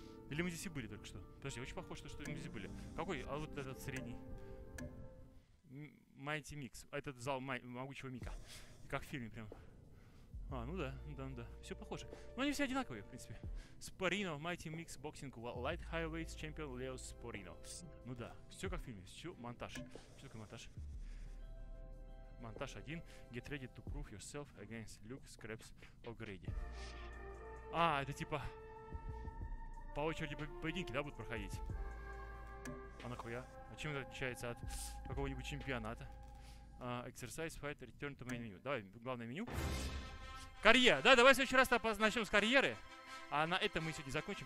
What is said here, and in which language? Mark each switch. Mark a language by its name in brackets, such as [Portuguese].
[Russian] Или мы здесь и были только что? Подожди, очень похоже, что мы здесь были. Какой? А вот этот средний. Mighty Mix. Этот зал могучего Мика. Как в фильме прям. А, ну да, да, да. Все похоже. Но они все одинаковые, в принципе. Спорино, Mighty Mix, Boxing, Light Highweights, Champion, Leo Спорино. Ну да, все как в фильме. Все, монтаж. Что такое монтаж? Монтаж 1. [English] Get ready to prove yourself against Luke Scraps of Grady. [Russian] А, это типа... По очереди поединки, да, будут проходить? А нахуя? А чем это отличается от какого-нибудь чемпионата? [English] Exercise, fight, return to main menu. [Russian] Давай, главное меню. Карьера! Да, давай в следующий раз начнем с карьеры. А на этом мы сегодня закончим.